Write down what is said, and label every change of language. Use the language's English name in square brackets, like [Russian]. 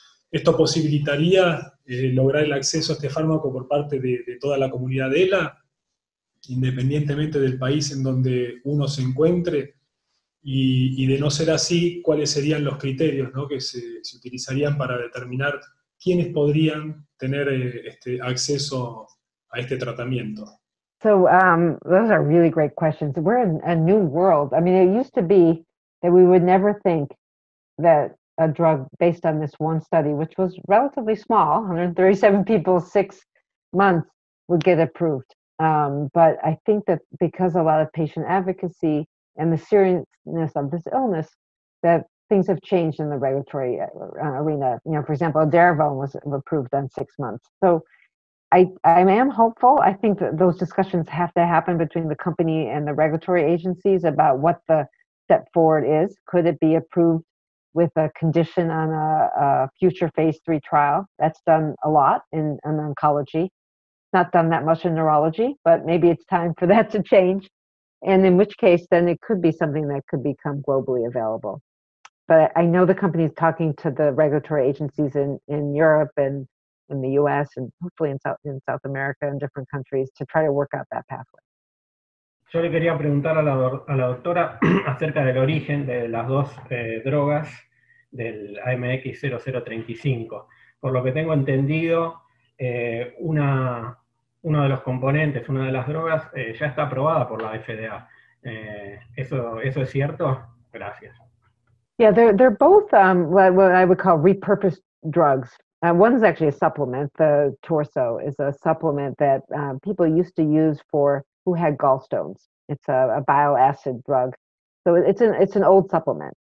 [Spanish] ¿Esto posibilitaría lograr el acceso a este fármaco por parte de toda la comunidad de ELA, independientemente del país en donde uno se encuentre? Y de no ser así, ¿cuáles serían los criterios, ¿no? que se utilizarían para determinar quiénes podrían tener acceso a este tratamiento? [English] So, those are really great questions. We're in a new world. I mean, it used to be that we would never think that a drug based on this one study, which was relatively small, 137 people, 6 months, would get approved. But I think that because a lot of patient advocacy and the seriousness of this illness, that things have changed in the regulatory arena. You know, for example, edaravone was approved on 6 months. So I am hopeful. I think that those discussions have to happen between the company and the regulatory agencies about what the step forward is. Could it be approved with a condition on a future phase 3 trial? That's done a lot in oncology. Not done that much in neurology, but maybe it's time for that to change. And in which case, then it could be something that could become globally available. But I know the company is talking to the regulatory agencies in Europe and in the U.S. and hopefully in South America and different countries to try to work out that pathway. [Spanish] Yo le quería preguntar a la doctora acerca del origen de las dos drogas del AMX0035. Por lo que tengo entendido, uno de los componentes, una de las drogas, ya está aprobada por la FDA. ¿Eso es cierto? Gracias. [English] Yeah, they're both what I would call repurposed drugs. One is actually a supplement. The Torso is a supplement that people used to use for who had gallstones. It's a bile acid drug. So it's an old supplement.